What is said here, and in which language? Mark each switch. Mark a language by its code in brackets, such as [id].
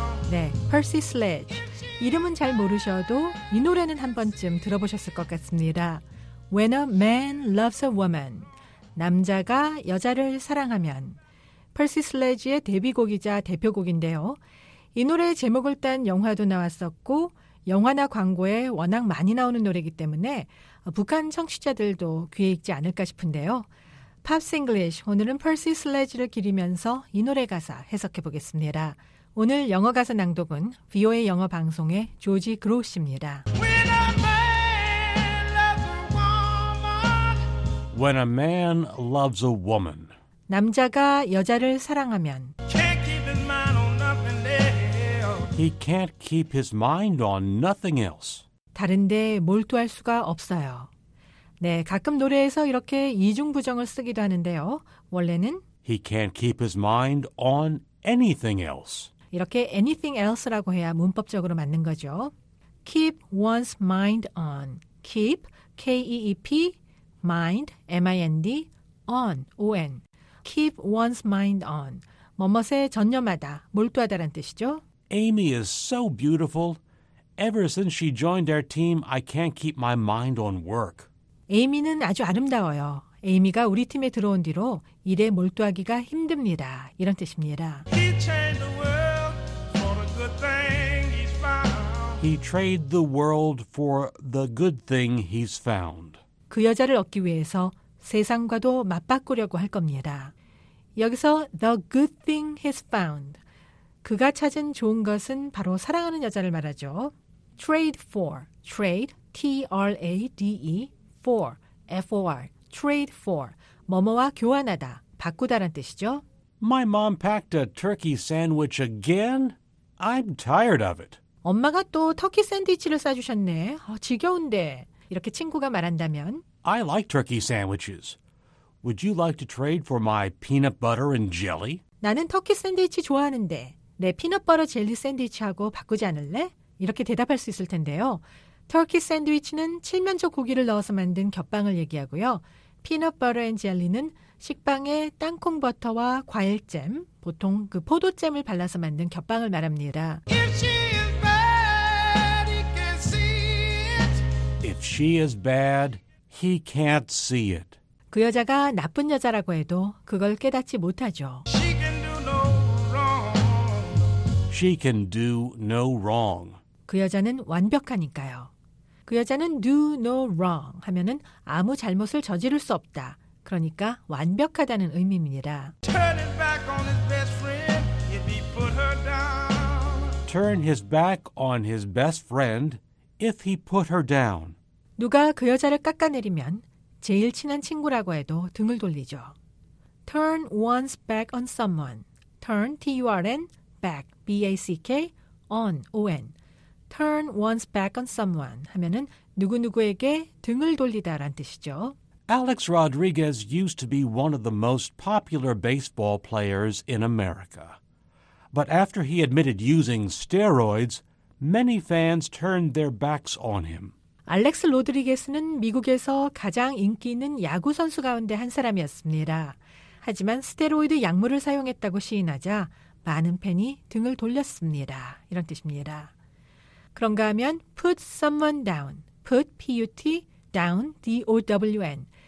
[ko] 네, Percy Sledge. 이름은 잘 모르셔도 이 노래는 한 번쯤 들어보셨을 것 같습니다. [en] When a man loves a woman, [ko] 남자가 여자를 사랑하면, Percy Sledge의 데뷔곡이자 대표곡인데요. 이 노래의 제목을 딴 영화도 나왔었고 영화나 광고에 워낙 많이 나오는 노래이기 때문에 북한 청취자들도 귀에 익지 않을까 싶은데요. Pops English, 오늘은 Percy Sledge를 기리면서 이 노래 가사 해석해보겠습니다. 오늘 영어 가사 낭독은 VOA 영어 방송의 조지 그로우입니다. [en] When a man loves a woman. [ko] 남자가 여자를 사랑하면 [en] can't keep his mind on nothing else. He can't keep his mind on nothing else. [ko] 다른 데 몰두할 수가 없어요. 네, 가끔 노래에서 이렇게 이중부정을 쓰기도 하는데요. 원래는 [en] He can't keep his mind on anything else. [ko] 이렇게 anything else라고 해야 문법적으로 맞는 거죠. [en] Keep one's mind on. Keep, K-E-E-P, mind, M-I-N-D, on, O-N. Keep one's mind on. [ko] 뭐뭇에 전념하다, 몰두하다란 뜻이죠. [en] Amy is so beautiful. Ever since she joined our team, I can't keep my mind on work. [ko] 에이미는 아주 아름다워요. 에이미가 우리 팀에 들어온 뒤로 일에 몰두하기가 힘듭니다. 이런 뜻입니다. [en] He changed the world for a good thing he's found. He traded the world for the good thing he's found. [ko] 그 여자를 얻기 위해서 세상과도 맞바꾸려고 할 겁니다. 여기서 [en] the good thing he's found. [ko] 그가 찾은 좋은 것은 바로 사랑하는 여자를 말하죠. [en] Trade for. Trade. T-R-A-D-E. For, F-O-R, trade for, [ko] 뭐뭐와 교환하다, 바꾸다란 뜻이죠. [en] My mom packed a turkey sandwich again. I'm tired of it. [ko] 엄마가 또 터키 샌드위치를 싸주셨네. 지겨운데. 이렇게 친구가 말한다면. [en] I like turkey sandwiches. Would you like to trade for my peanut butter and jelly? [ko] 나는 터키 샌드위치 좋아하는데 내 peanut butter jelly 샌드위치하고 바꾸지 않을래? 이렇게 대답할 수 있을 텐데요. 터키 샌드위치는 칠면조 고기를 넣어서 만든 겹빵을 얘기하고요. 피넛 버터 앤 젤리는 식빵에 땅콩 버터와 과일잼, 보통 그 포도잼을 발라서 만든 겹빵을 말합니다. [en] If she is bad, he can't see it. If she is bad, he can't see it. [ko] 그 여자가 나쁜 여자라고 해도 그걸 깨닫지 못하죠. [en] She can do no wrong. She can do no wrong. [ko] 그 여자는 완벽하니까요. 그 여자는 [en] do no wrong [ko] 하면은 아무 잘못을 저지를 수 없다. 그러니까 완벽하다는 의미입니다. [en] Turn his back on his best friend if he put her down. Turn his back on his best friend if he put her down. [ko] 누가 그 여자를 깎아내리면 제일 친한 친구라고 해도 등을 돌리죠. [en] Turn one's back on someone. Turn, T-U-R-N, back, B-A-C-K, on, O-N. Turn one's back on someone [ko] 하면은 누구누구에게 등을 돌리다란 뜻이죠. [en] Alex Rodriguez used to be one of the most popular baseball players in America. But after he admitted using steroids, many fans turned their backs on him. [ko] Alex Rodriguez는 미국에서 가장 인기 있는 야구 선수 가운데 한 사람이었습니다. 하지만 스테로이드 약물을 사용했다고 시인하자 많은 팬이 등을 돌렸습니다. 이런 뜻입니다. 그런가 하면 [en] put someone down, put, P-U-T, down, D-O-W-N.